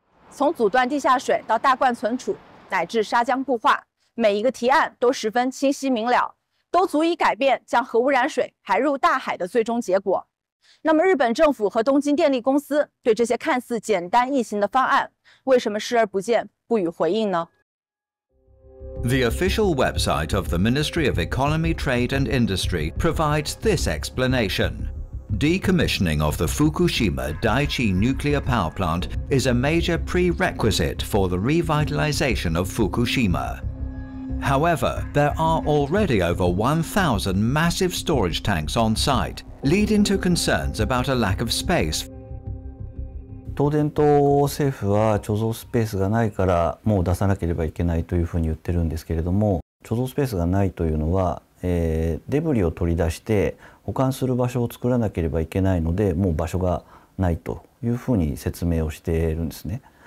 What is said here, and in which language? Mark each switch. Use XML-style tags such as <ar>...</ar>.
<zh>从阻断地下水到大罐存储乃至沙浆固化，每一个提案都十分清晰明了，都足以改变将核污染水排入大海的最终结果。那么日本政府和东京电力公司对这些看似简单易行的方案为什么视而不见，不予回应呢？</zh> <en>The official website of the Ministry of Economy, Trade and Industry provides this explanation. Decommissioning of the Fukushima Daiichi nuclear power plant is a major prerequisite for the revitalization of Fukushima. However, there are already over 1,000 massive storage tanks on site, leading to concerns about a lack of space.</en> <ja>東電と政府は貯蔵スペースがないからもう出さなければいけないというふうに言ってるんですけれども、貯蔵スペースがないというのは、デブリを取り出して保管する場所を作らなければいけないのでもう場所がないというふうに説明をしているんですね。</ja>